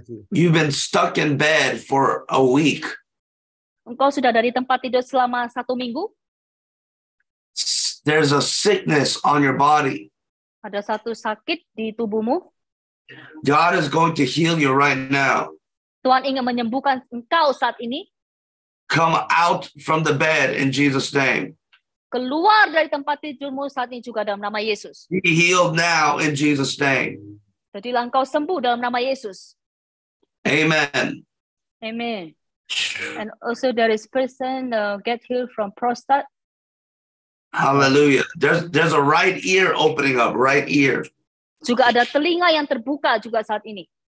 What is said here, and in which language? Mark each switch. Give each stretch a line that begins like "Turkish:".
English: You've been stuck in bed for a week.
Indonesian: Engkau sudah dari tempat tidur selama satu minggu.
English: There's a sickness on your body.
Indonesian: Ada satu sakit di tubuhmu.
English: God is going to heal you right now.
Indonesian: Tuhan ingin menyembuhkan engkau saat ini.
English: Come out from the bed in Jesus' name.
Indonesian: Keluar dari tempat tidurmu saat ini juga dalam nama Yesus.
English: Be healed now in Jesus' name.
Indonesian: Jadilah engkau sembuh dalam nama Yesus.
English: Amen. Amen. And also there is person get healed from prostate. Hallelujah. There's a right ear opening up, right ear.
Indonesian: Juga ada telinga yang terbuka juga saat ini.